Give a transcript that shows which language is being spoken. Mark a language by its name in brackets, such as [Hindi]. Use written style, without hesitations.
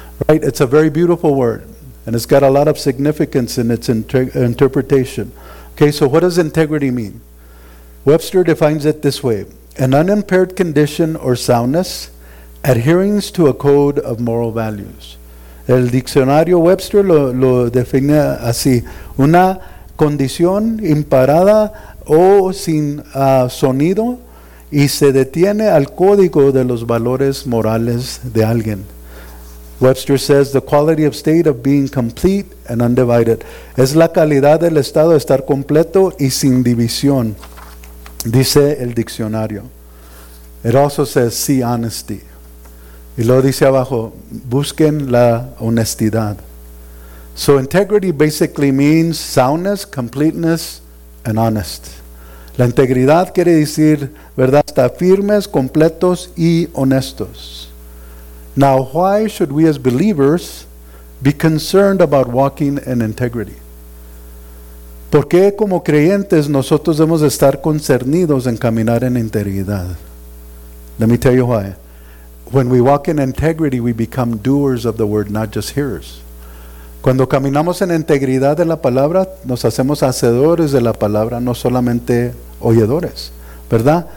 [English] Right? It's a very beautiful word. And it's got a lot of significance in its interpretation. Okay, so what does integrity mean? Webster defines it this way. An unimpaired condition or soundness, adherence to a code of moral values. [Spanish] El diccionario Webster lo define así. Una condición imparada o sin sonido y se detiene al código de los valores morales de alguien. [English] Webster says the quality of state of being complete and undivided. [Spanish] Es la calidad del estado de estar completo y sin división, dice el diccionario. [English] It also says see honesty. [Spanish] Y luego dice abajo, busquen la honestidad. [English] So integrity basically means soundness, completeness, and honest. [Spanish] La integridad quiere decir, ¿verdad? Estar firmes, completos y honestos. [English] Now, why should we as believers be concerned about walking in integrity? [Spanish] ¿Por qué como creyentes nosotros debemos estar concernidos en caminar en integridad? [English] Let me tell you why. When we walk in integrity, we become doers of the word, not just hearers. [Spanish] Cuando caminamos en integridad de la palabra, nos hacemos hacedores de la palabra, no solamente oyedores, ¿verdad?